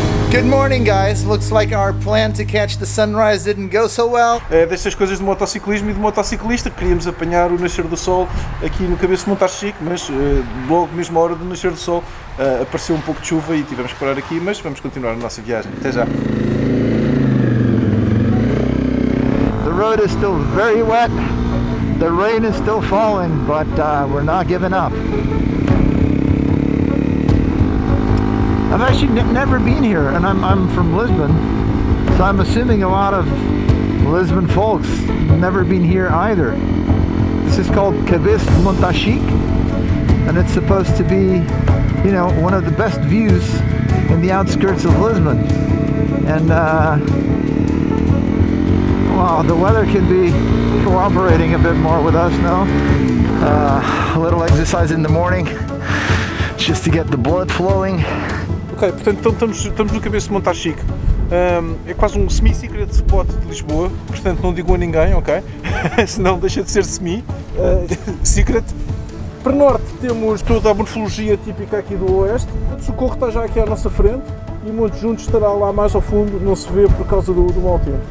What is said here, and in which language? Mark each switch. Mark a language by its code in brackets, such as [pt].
[en] Good morning, guys. Looks like our plan to catch the sunrise didn't go so well. [pt] É destas coisas de motociclismo e de motociclista, queríamos apanhar o nascer do sol aqui no cabeça de montar chique, mas logo mesmo à hora do nascer do sol apareceu um pouco de chuva e tivemos que parar aqui, mas vamos continuar a nossa viagem. Até já. [en] The road is still very wet. The rain is still falling, but we're not giving up. I've actually never been here, and I'm from Lisbon, so I'm assuming a lot of Lisbon folks never been here either. This is called Cabeça de Montachique, and it's supposed to be, you know, one of the best views in the outskirts of Lisbon. And, well, the weather can be cooperating a bit more with us now. A little exercise in the morning, just to get the blood flowing. [pt] Ok, portanto estamos no cabeça de montar chique. É quase um semi-secret spot de Lisboa, portanto não digo a ninguém, ok? Senão deixa de ser semi-secret. Para norte temos toda a morfologia típica aqui do oeste. O Socorro está já aqui à nossa frente e o Monte Juntos estará lá mais ao fundo, não se vê por causa do mau tempo.